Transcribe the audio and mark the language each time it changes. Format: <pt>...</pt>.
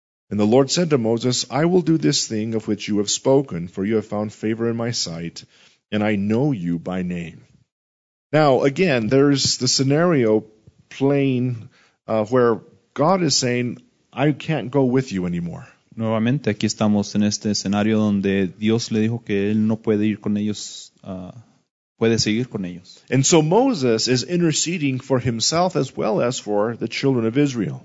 <en>And the Lord said to Moses, I will do this thing of which you have spoken, for you have found favor in my sight, and I know you by name. Now, again, there's the scenario playing where God is saying, I can't go with you anymore.</en> <es>Nuevamente, aquí estamos en este escenario donde Dios le dijo que él no puede ir con ellos, puede seguir con ellos.</es> <en>And so Moses is interceding for himself as well as for the children of Israel.</en>